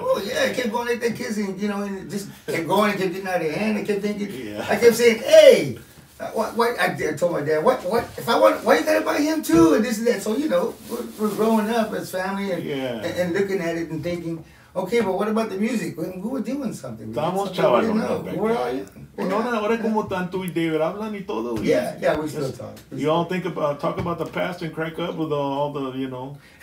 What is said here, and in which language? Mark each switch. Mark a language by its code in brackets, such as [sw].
[en] Oh yeah, it kept going like that, kids, and you know, and it just kept going and kept getting out of hand. I kept thinking, I kept saying, hey, what? I told my dad, what? If I want, why you gotta buy him too? And this and that. So you know, we're growing up as family and looking at it and thinking, okay, but what about the music? We were doing something. [es] Estamos chavalos. [en] Where are you? [es] No, no, ahora como están tú y David, hablan y todo. [en] Yeah, we still talk. You all talk about the past and crack up with all the, you know.